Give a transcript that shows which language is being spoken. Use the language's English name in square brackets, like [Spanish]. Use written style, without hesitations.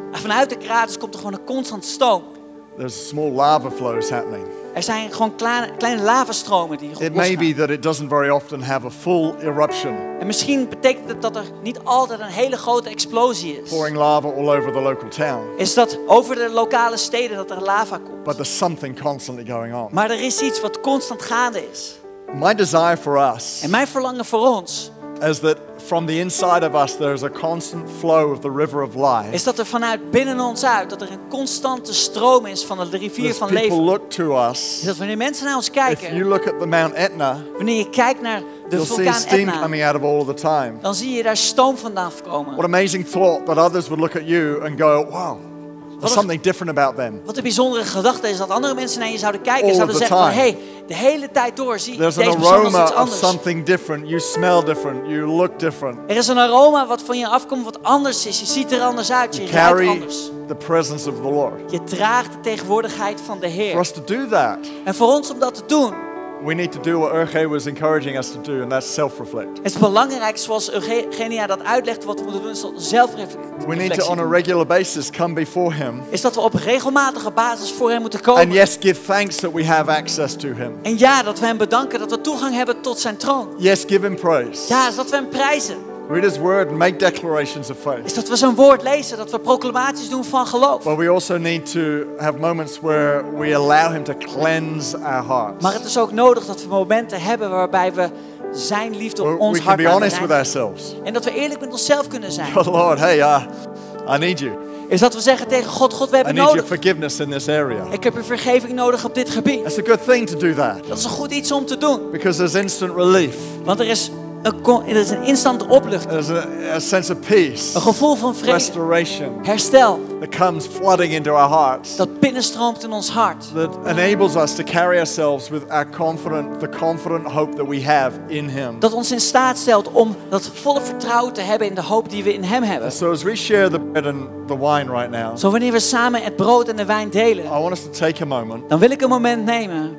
[Dutch] Vanuit de kraters komt er gewoon een constant stoom. [English] There's small lava flows happening. [Dutch] Er zijn gewoon kleine lavastromen die losgaan. [English] It may be that it doesn't very often have a full eruption. [Dutch] En misschien betekent het dat er niet altijd een hele grote explosie is. [English] Pouring lava all over the local town. [Dutch] Is dat over de lokale steden dat er lava komt? [English] But there's something constantly going on. [Dutch] Maar er is iets wat constant gaande is. [English] My desire for us. [Dutch] En mijn verlangen voor ons. [English] Is that from the inside of us there is a constant flow of the river of life. [Dutch] Is dat er vanuit binnen ons uit dat er een constante stroom is van de rivier van leven. [English] People look to us. [Dutch] Dat wanneer mensen naar ons kijken. [English] If you look at the Mount Etna. [Dutch] Wanneer je kijkt naar de vulkaan Etna. [English] You'll see steam coming out of all the time. [Dutch] Dan zie je daar stoom vandaan komen. [English] What amazing thought that others would look at you and go, wow. There's something different about them. [Dutch] Wat een bijzondere gedachte is dat andere mensen naar je zouden kijken en zouden zeggen van, hey, de hele tijd door zie je deze persoon als iets anders. [English] Something different. You smell different. You look different. [Dutch] Er is een aroma wat van je afkomt wat anders is. Je ziet er anders uit. Je ruikt anders. [English] The presence of the Lord. [Dutch] Je draagt de tegenwoordigheid van de Heer. [English] For us to do that. [Dutch] En voor ons om dat te doen. [English] we need to do what Urge was encouraging us to do, and that's self-reflect. [Dutch] Het is belangrijk, zoals Eugenia dat uitlegt, wat we moeten doen, zelfreflectie. [English] We need to, on a regular basis, come before Him. [Dutch] Is dat we op regelmatige basis voor Hem moeten komen? [English] And yes, give thanks that we have access to Him. [Dutch] En ja, dat we Hem bedanken, dat we toegang hebben tot Zijn troon. [English] Yes, give Him praise. [Dutch] Ja, dat we Hem prijzen. [English] Read His word and make declarations of faith. [Dutch] Is dat we zijn woord lezen, dat we proclamaties doen van geloof. [English] But we also need to have moments where we allow Him to cleanse our hearts. [Dutch] Maar het is ook nodig dat we momenten hebben waarbij we zijn liefde op ons hart aanreiken. [English] We can be honest with ourselves. [Dutch] En dat we eerlijk met onszelf kunnen zijn. [English] Oh Lord, hey, I need you. [Dutch] Is dat we zeggen tegen God, God, we hebben nodig. [English] I need your forgiveness in this area. [Dutch] Ik heb je vergeving nodig op dit gebied. [English] It's a good thing to do that. [Dutch] Dat is een goed iets om te doen. [English] Because there's instant relief. [Dutch] Want er is een instant opluchting. [English] There's a sense of peace. [Dutch] Een gevoel van vrede. [English] Restoration. [Dutch] Herstel. [English] That comes flooding into our hearts. [Dutch] Dat binnenstroomt in ons hart. [English] That enables us to carry ourselves with our confident, the confident hope that we have in Him. [Dutch] Dat ons in staat stelt om dat volle vertrouwen te hebben in de hoop die we in Hem hebben. [English] So as we share the bread and the wine right now. [Dutch] Zo wanneer we samen het brood en de wijn delen. [English] I want us to take a moment. [Dutch] Dan wil ik een moment nemen.